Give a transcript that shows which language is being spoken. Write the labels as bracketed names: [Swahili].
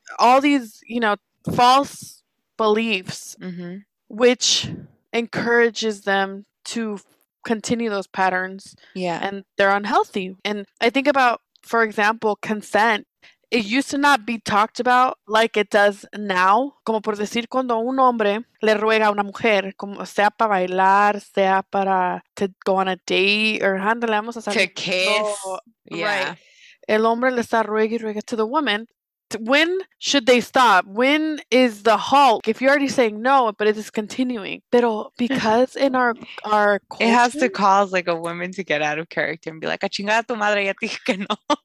[English] All these, you know, false beliefs, mm-hmm. which encourages them to continue those patterns, yeah, and they're unhealthy. And I think about, for example, consent. It used to not be talked about like it does now. [Spanish] Como por decir, cuando un hombre le ruega a una mujer, como sea para bailar, sea para [English] to go on a date, [Spanish] or ándale, vamos a salir. [English] To kiss. Oh, yeah. Right. [Spanish] El hombre le está ruega y ruega [English] to the woman. When should they stop? When is the halt? If you're already saying no, but it is continuing. [Spanish] Pero [English] because in our culture, it has to cause like a woman to get out of character and be like, [Spanish] a chingada tu madre, ya te dije que no.